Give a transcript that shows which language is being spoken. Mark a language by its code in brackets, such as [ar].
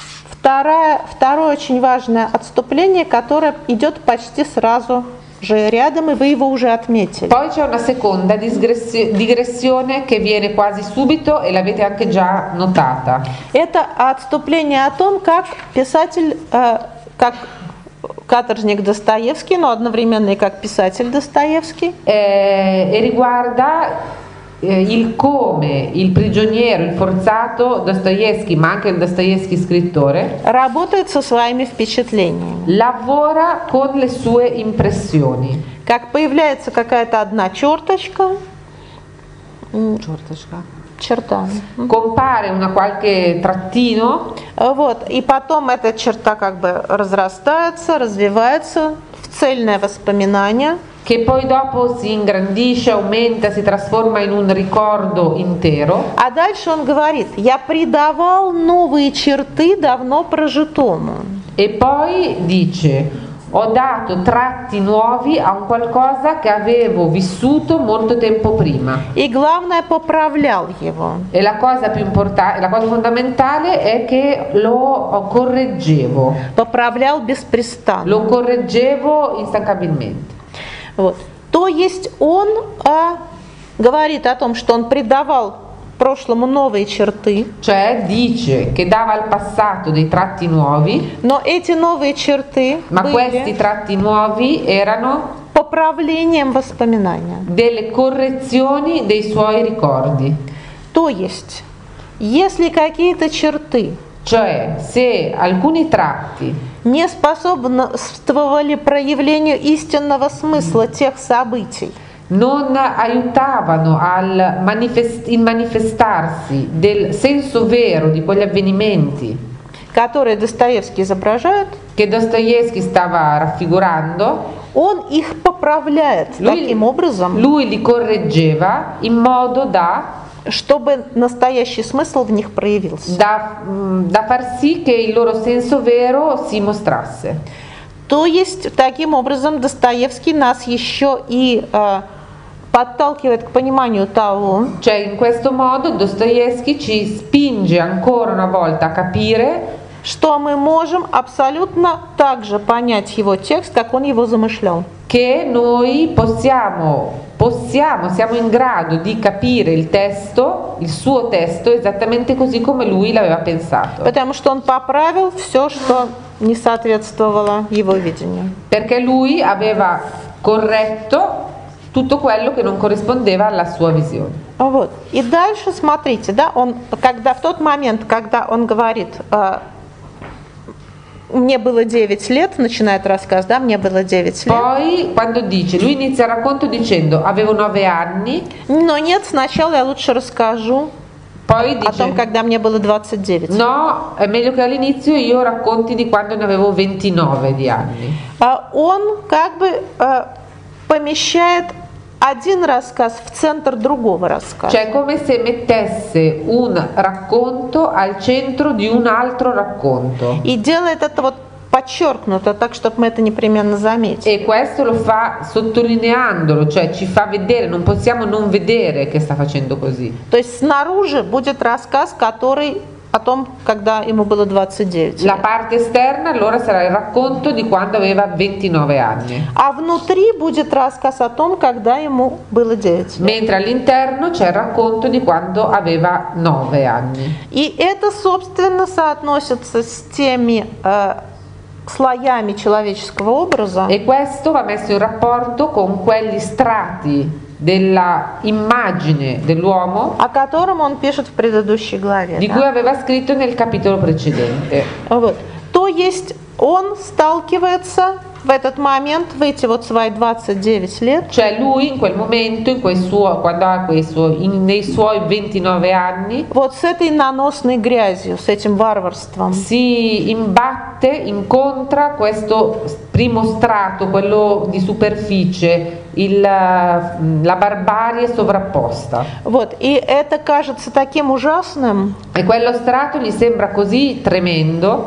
[ru] Второе очень важное отступление, которое идет почти сразу же рядом, и вы его уже отметили. [it] Poi c'è una seconda digressione che viene quasi subito e l'avete anche già notata. [ru] Это отступление о том, как писатель, как каторжник Достоевский, но одновременно и как писатель Достоевский. [it] E riguarda il come il prigioniero, il forzato Dostoevsky, ma anche il Dostoevsky scrittore, [ru] работает со своими впечатлениями. [it] Lavora con le sue impressioni. [ru] Как появляется какая-то одна черточка? Черточка. Черта. [it] Compare una qualche trattino. [ru] Вот, и потом эта черта как бы разрастается, развивается в цельное воспоминание. [it] Che poi dopo si ingrandisce, aumenta, si trasforma in un ricordo intero. [ru] А дальше он говорит: я придавал новые черты давно прожитому. [it] E poi dice: ho dato tratti nuovi a un qualcosa che avevo vissuto molto tempo prima. [ru] И главное, поправлял его. [it] E la cosa più importante, la cosa fondamentale è che lo correggevo. [ru] Поправлял беспрестанно. [it] Lo correggevo instancabilmente. [ru] Вот. То есть он говорит о том, что он придавал прошлому новые черты. [it] Cioè dice che dava al passato dei tratti nuovi. [ru] Но эти новые черты [it] ma [ru] были [it] questi tratti nuovi erano [ru] поправлением воспоминания. [it] Delle correzioni dei suoi ricordi. [ru] То есть, если какие-то черты, [it] cioè se alcuni tratti [ru] не способствовали проявлению истинного смысла тех событий, [it] non aiutavano al manifestarsi del senso vero di quegli avvenimenti, [ru] которые Достоевский изображает, [it] che Dostoevsky stava raffigurando, [ru] он их поправляет таким образом, [it] lui li correggeva in modo da, [ru] чтобы настоящий смысл в них проявился. [it] Da far sì che il loro senso vero si mostrasse. [ru] То есть таким образом Достоевский нас еще и подталкивает к пониманию того. [it] Cioè in questo modo Dostoevsky ci spinge ancora una volta a capire, [ru] что мы можем абсолютно так же понять его текст, как он его замышлял. [it] Che noi possiamo, siamo in grado di capire il testo, il suo testo, esattamente così come lui l'aveva pensato. [ru] Потому что он поправил все, что не соответствовало его видению. [it] Perché lui aveva corretto tutto quello che non corrispondeva alla sua visione. [ru] Вот. И дальше смотрите, да, он, когда в тот момент, когда он говорит, мне было 9 лет, начинает рассказ, да, мне было 9 лет. [it] Poi, quando dice, lui inizia racconto dicendo, avevo 9 anni. [ru] Но нет, сначала я лучше расскажу. [it] Poi dice, [ru] о том, когда мне было 29. [it] No, è meglio che all'inizio io racconti di quando ne avevo 29 di anni. [ru] Он как бы помещает один рассказ в центр другого рассказа. [it] Cioè, come se mettesse un racconto al centro di un altro racconto. [ru] И делает это вот подчеркнуто, так, чтобы мы это непременно заметили. [it] E questo lo fa sottolineandolo, cioè ci fa vedere, non possiamo non vedere che sta facendo così. [ru] То есть снаружи будет рассказ, который о том, когда ему было 29. [it] La parte esterna allora sarà il racconto di quando aveva 29 anni. [ru] А внутри будет рассказ о том, когда ему было 9. [it] Mentre all'interno c'è il racconto di quando aveva 9 anni. [ru] И это, собственно, соотносится с теми слоями человеческого образа. [it] E questo va messo in rapporto con quegli strati della immagine dell'uomo, [ru] о котором он пишет в предыдущей главе. [it] Di cui aveva scritto nel capitolo precedente. [ru] Вот. То есть он сталкивается в этот момент, в эти вот свои 29 лет. [it] Cioè lui in quel momento, in quel suo, quando ha questo, in, nei suoi 29 anni. [ru] Вот с этой наносной грязью, с этим варварством. [it] Si imbatte, incontra questo primo strato, quello di superficie, il, la barbarie sovrapposta. [ru] Вот, и это кажется таким ужасным. [it] E quello strato gli sembra così tremendo.